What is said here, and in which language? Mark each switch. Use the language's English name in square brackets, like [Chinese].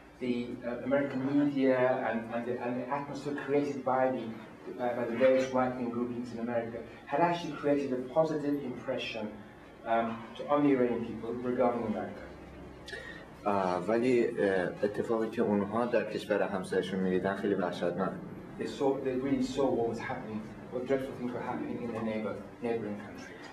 [English] American media and the atmosphere created by the various right-wing groupings in America had actually created a positive impression on the Iranian people regarding America. [Persian] ولی اتفاقی که اونها در کشور همسایشون می‌دیدن خیلی وحشتناک. [English] They really saw what was happening, what dreadful things were happening in their neighboring country.